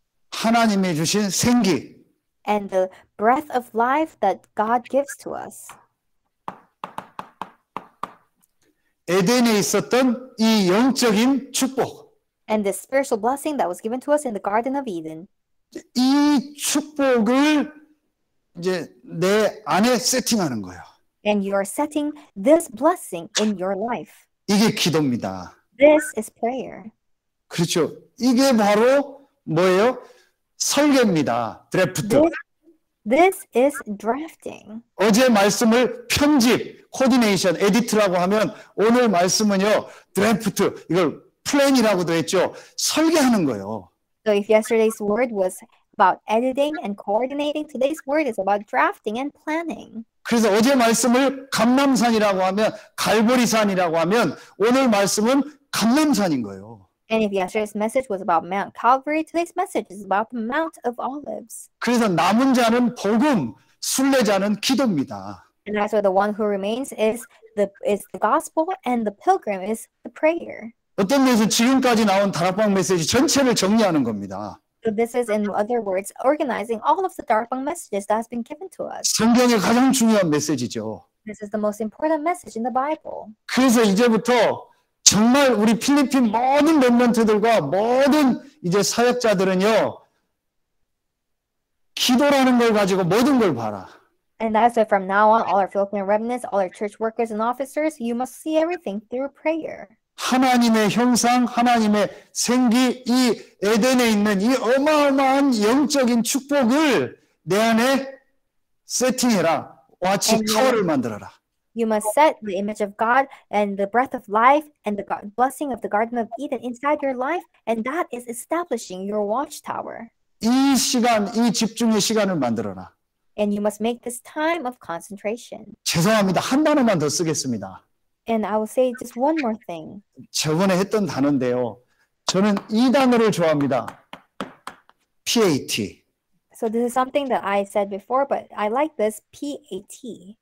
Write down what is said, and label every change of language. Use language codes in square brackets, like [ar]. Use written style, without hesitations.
[ko] 하나님이 주신 생기. [en] And the breath of life that God gives to us. [ko] 에덴에 있었던 이 영적인 축복. [en] And the spiritual blessing that was given to us in the Garden of Eden. [ko] 이 축복을 이제 내 안에 세팅하는 거예요. [en] And you are setting this blessing in your life. [ko] 이게 기도입니다. [en] This is prayer. [ko] 그렇죠. 이게 바로 뭐예요? 설계입니다. 드래프트. [en] This is drafting. [ko] 어제 말씀을 편집, 코디네이션, 에디트라고 하면 오늘 말씀은요, 드래프트, 이걸 플랜이라고도 했죠. 설계하는 거예요. [en] So if yesterday's word was about editing and coordinating, today's word is about drafting and planning. [ko] 그래서 어제 말씀을 감람산이라고 하면, 갈보리산이라고 하면 오늘 말씀은 감람산인 거예요. [en] And if yesterday's message was about Mount Calvary, today's message is about the Mount of Olives. [ko] 그래서 남은 자는 복음, 순례자는 기도입니다. [en] And that's why the one who remains is the gospel and the pilgrim is the prayer. [ko] 어떤 면에서 지금까지 나온 다락방 메시지 전체를 정리하는 겁니다. [en] So this is, in other words, organizing all of the Darkbang messages that has been given to us. [ko] 성경의 가장 중요한 메시지죠. [en] This is the most important message in the Bible. [ko] 그래서 이제부터 정말 우리 필리핀 모든 렘넌트들과 모든 이제 사역자들은요, 기도라는 걸 가지고 모든 걸 봐라. [en] And that's why from now on, all our Philippine remnants, all our church workers and officers, you must see everything through prayer. [ko] 하나님의 형상, 하나님의 생기, 이 에덴에 있는 이 어마어마한 영적인 축복을 내 안에 세팅해라. 마치 타워를 만들어라. [en] You must set the image of God and the breath of life and the blessing of the Garden of Eden inside your life, and that is establishing your watchtower. [ko] 이 시간, 이 집중의 시간을 만들어라. [en] And you must make this time of concentration. [ko] 죄송합니다. 한 단어만 더 쓰겠습니다. [en] And I will say just one more thing. [ko] 저번에 했던 단어인데요. 저는 이 단어를 좋아합니다. [en] PAT. So this is something that I said before, but I like this PAT.